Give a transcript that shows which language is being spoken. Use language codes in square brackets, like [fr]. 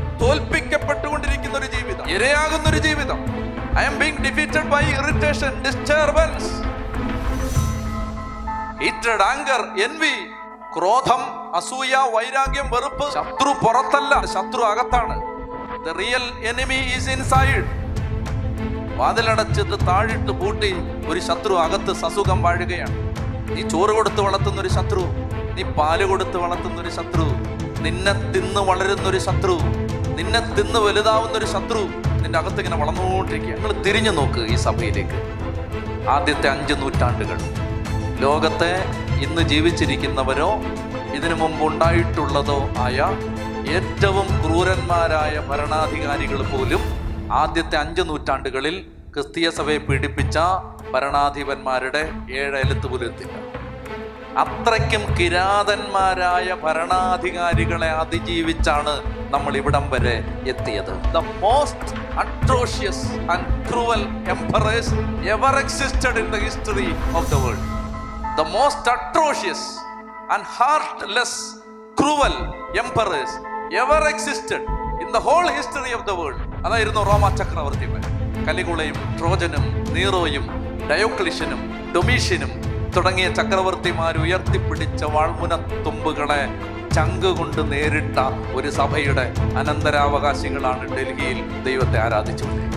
[ml] തോൽപ്പിക്കപ്പെട്ടുകൊണ്ടിരിക്കുന്ന ഒരു ജീവിതം, ഇരയാകുന്ന ഒരു ജീവിതം. [en] I am being defeated by irritation, disturbance, hatred, anger, envy, [ml] ക്രോധം, അസൂയ, വൈരാഗ്യം, വെറുപ്പ്. ശത്രു പുറത്തല്ല, ശത്രു അകത്താണ്. [en] The real enemy is inside. [ml] വാതിലടച്ചിട്ട് താഴിട്ട് പൂട്ടി ഒരു ശത്രു അകത്ത് സസുഖം വാഴുകയാണ്. നീ ചോറ് കൊടുത്ത് വളർത്തുന്ന ഒരു ശത്രു, നീ പാല് കൊടുത്ത് വളർത്തുന്ന ഒരു ശത്രു, നിന്നെ തിന്ന് വളരുന്ന ഒരു ശത്രു, നിന്നെ തിന്ന് വലുതാവുന്ന ഒരു ശത്രു നിന്റെ അകത്ത് ഇങ്ങനെ വളർന്നുകൊണ്ടിരിക്കുക. നിങ്ങൾ തിരിഞ്ഞു നോക്ക് ഈ സഭയിലേക്ക്. ആദ്യത്തെ 5 നൂറ്റാണ്ടുകൾ ലോകത്തെ ഇന്ന് ജീവിച്ചിരിക്കുന്നവരോ ഇതിനു മുമ്പ് ഉണ്ടായിട്ടുള്ളതോ ആയ ഏറ്റവും ക്രൂരന്മാരായ ഭരണാധികാരികൾ പോലും ആദ്യത്തെ 5 നൂറ്റാണ്ടുകളിൽ ക്രിസ്തീയ സഭയെ പീഡിപ്പിച്ച ഭരണാധിപന്മാരുടെ 7 എലുത്തു പുലർത്തില്ല. അത്രയ്ക്കും കിരാതന്മാരായ ഭരണാധികാരികളെ അതിജീവിച്ചാണ് നമ്മൾ ഇവിടം വരെ എത്തിയത്. [en] The most atrocious and cruel emperors ever existed in the history of the world. The most atrocious and heartless, cruel emperors ever existed in the whole history of the world. [ml] അതായിരുന്നു റോമാ ചക്രവർത്തിമാർ. കലികുളയും, ട്രോജനും, നീറോയും, ഡയോക്ലിഷ്യനും, ഡൊമീഷ്യനും തുടങ്ങിയ ചക്രവർത്തിമാർ ഉയർത്തിപ്പിടിച്ച വാൾമുനത്തുമ്പുകളെ ചങ്ക് കൊണ്ട് നേരിട്ട ഒരു സഭയുടെ അനന്തരാവകാശികളാണ് ഡൽഹിയിൽ ദൈവത്തെ ആരാധിച്ചത്.